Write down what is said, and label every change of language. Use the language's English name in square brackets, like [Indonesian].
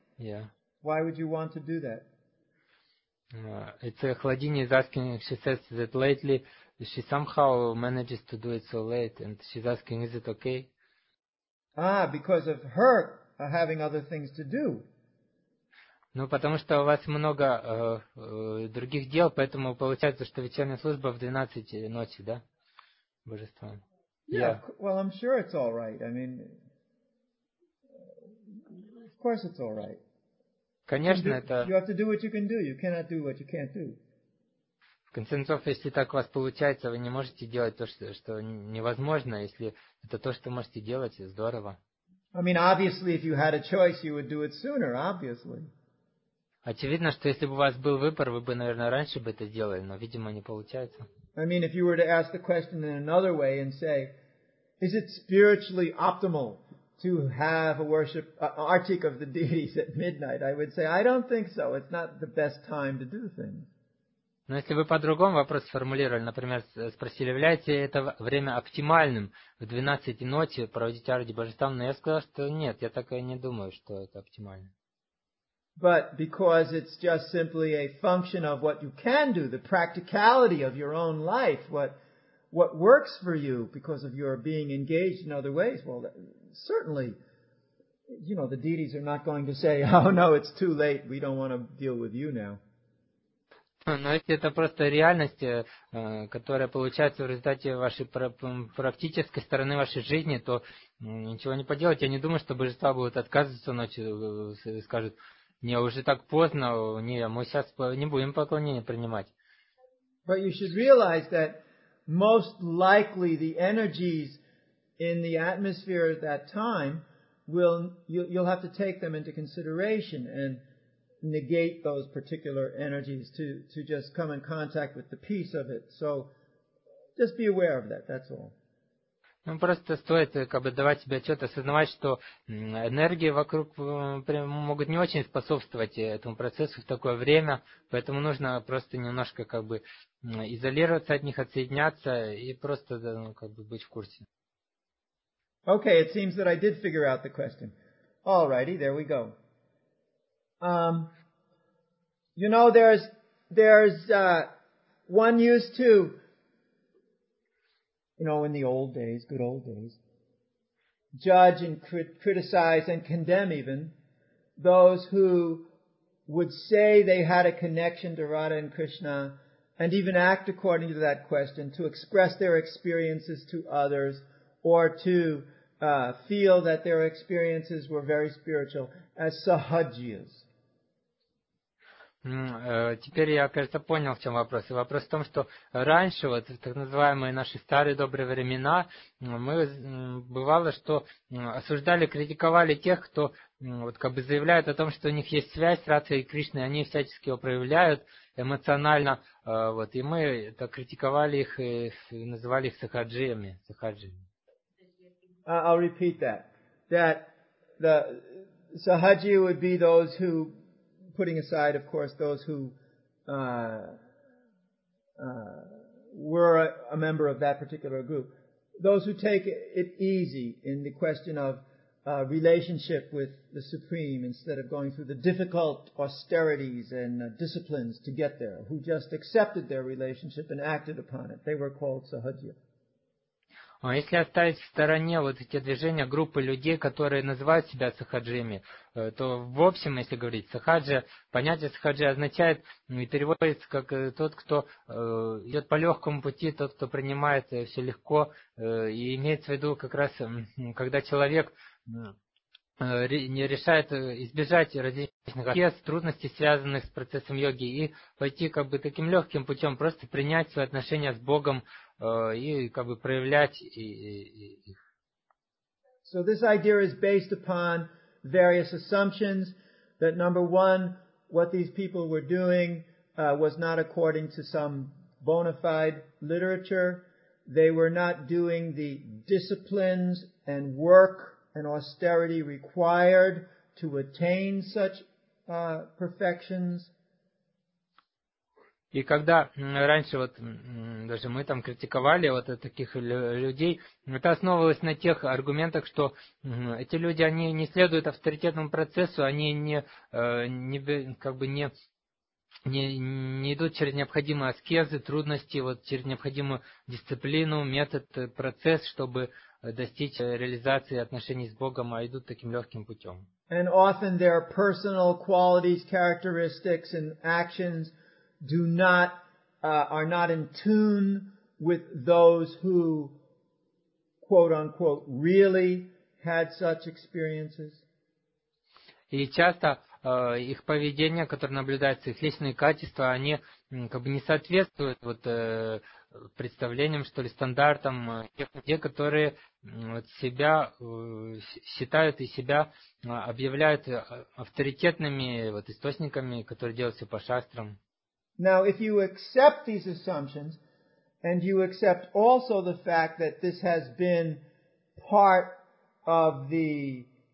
[English] Yeah. Why would you want to do that? It's a Khladini is asking, she says that lately she somehow manages to do it so late, and she's asking, is it okay? Ah, because of her having other things to do. [Russian] Ну, потому что у вас много других дел, поэтому получается, что вечерняя служба в 12 ночи, да? Божество. [English] Yeah, well, I'm sure it's all right. I mean, of course it's all right. [Russian] Конечно, это... [English] You have to do what you can do. You cannot do what you can't do. [Russian] В конце концов, если так у вас получается, вы не можете делать то, что невозможно. Если это то, что можете делать, здорово. [English] I mean, obviously, if you had a choice, you would do it sooner, obviously. [Russian] Очевидно, что если бы у вас был выбор, вы бы, наверное, раньше бы это сделали, но, видимо, не получается. [English] I mean, if you were to ask the question in another way and say, is it spiritually optimal to have a worship, artik of the deities at midnight, I would say, I don't think so, it's not the best time to do things. [Russian] Но если бы по-другому вопрос сформулировали, например, спросили, является ли это время оптимальным в 12 ночи проводить арти божествам, но я сказал, что нет, я так и не думаю, что это оптимально. [English] But because it's just simply a function of what you can do, the practicality of your own life, what works for you because of your being engaged in other ways, well, certainly, you know, the deities are not going to say, oh, no, it's too late, we don't want to deal with you now. [Russian] Но если это просто реальность, которая получается в результате вашей практической стороны вашей жизни, то ничего не поделать. Я не думаю, что божества будут отказываться ночью и скажут, не, уже так поздно, не, мы сейчас не будем поклонения принимать. [English] But you should realize that most likely the energies in the atmosphere at that time will you'll have to take them into consideration, and negate those particular energies to just come in contact with the peace of it. So just be aware of that, that's all. [Russian] Ну, просто стоит, как бы, давать себе отчет, осознавать, что энергии вокруг могут не очень способствовать этому процессу в такое время, поэтому нужно просто немножко, как бы, изолироваться от них, отсоединяться и просто, ну, как бы, быть в курсе. [English] Okay, it seems that I did figure out the question. Alrighty, there we go. You know, there's one used to, you know, in the old days, good old days, judge and criticize and condemn even those who would say they had a connection to Radha and Krishna and even act according to that question to express their experiences to others or to feel that their experiences were very spiritual as sahajiyas. [Russian] Теперь я, кажется, понял, в чем вопрос. Вопрос в том, что раньше, вот в так называемые наши старые добрые времена, мы бывало, что осуждали, критиковали тех, кто вот как бы заявляет о том, что у них есть связь с Радхой и Кришной, они всячески его проявляют эмоционально, вот, и мы так критиковали их и называли их сахаджиями. [English] I'll repeat that. That the sahaji would be those who, putting aside, of course, those who were a member of that particular group, those who take it easy in the question of relationship with the Supreme instead of going through the difficult austerities and disciplines to get there, who just accepted their relationship and acted upon it. They were called sahajiya. [Russian] Если оставить в стороне вот эти движения, группы людей, которые называют себя сахаджиями, то в общем, если говорить, сахаджи, понятие сахаджи означает и переводится как тот, кто идет по легкому пути, тот, кто принимает все легко, и имеется в виду как раз, когда человек не решает избежать различных трудностей, связанных с процессом йоги, и пойти как бы таким легким путем, просто принять свои отношения с Богом, и как бы проявлять их. [English] So this idea is based upon various assumptions that number one, what these people were doing was not according to some bona fide literature. They were not doing the disciplines and work and austerity required to attain such perfections. [Russian] И когда раньше вот даже мы там критиковали вот таких людей, это основывалось на тех аргументах, что эти люди, они не следуют авторитетному процессу, они не идут через необходимые аскезы, трудности, вот через необходимую дисциплину, метод, процесс, чтобы достичь реализации отношений с Богом, а идут таким легким путем. [English] And often their personal qualities, characteristics and actions do not are not in tune with those who quote unquote really had such experiences. [Russian] И часто их поведение, которое наблюдается, их личные качества, они как бы не соответствуют вот представлениям, что ли, стандартам тех людей, которые вот себя считают и себя объявляют авторитетными вот источниками, которые делают все по шастрам. [English] Now, if you accept these assumptions, and you accept also the fact that this has been part of the